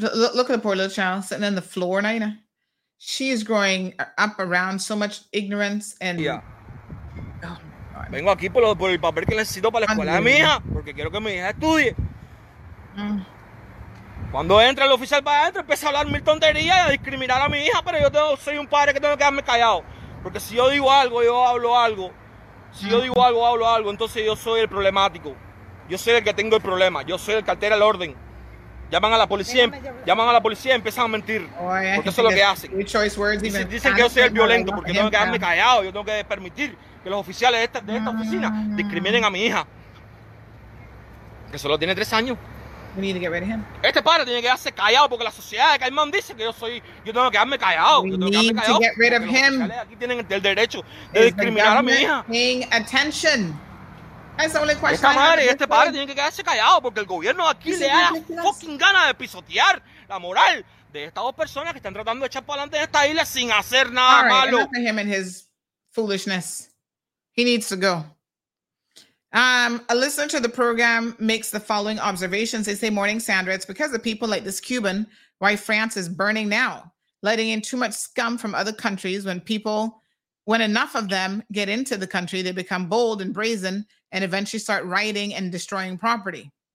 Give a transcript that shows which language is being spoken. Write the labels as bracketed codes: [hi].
[en] Look at the poor little child sitting on the floor, Naina. She is growing up around so much ignorance and. Yeah. [es] Oh, vengo aquí por el papel que necesito para la escuela de mi hija, porque quiero que mi hija estudie. Cuando entra el oficial para adentro, empieza a hablar mil tonterías y a discriminar a mi hija, pero yo tengo, soy un padre que tengo que quedarme callado, porque si yo digo algo, yo hablo algo. Si yo digo algo, hablo algo. Entonces yo soy el problemático. Yo soy el que tengo el problema. Yo soy el que altera el orden. Llaman a la policía, empiezan a mentir. Oh, porque eso es lo que hacen. Dicen que yo soy el violento, porque tengo que quedarme callado. Yo tengo que permitir que los oficiales de esta oficina discriminen a mi hija. Que solo tiene 3 años. Este padre tiene que quedarse callado, porque la sociedad de Caimán dice que yo tengo que quedarme callado. Aquí tienen el derecho de discriminar a mi hija. [en] Paying attention. That's the only question. [es] Esta madre, este padre tiene que quedarse callado porque el gobierno aquí le da fucking ganas de pisotear la moral de estas dos personas que están tratando de echar para adelante esta isla sin hacer nada malo. [en] All right, enough of him and his foolishness. He needs to go. A listener to the program makes the following observations. They say, morning, Sandra. It's because of people like this Cuban why France is burning now, letting in too much scum from other countries. When enough of them get into the country, they become bold and brazen and eventually start rioting and destroying property.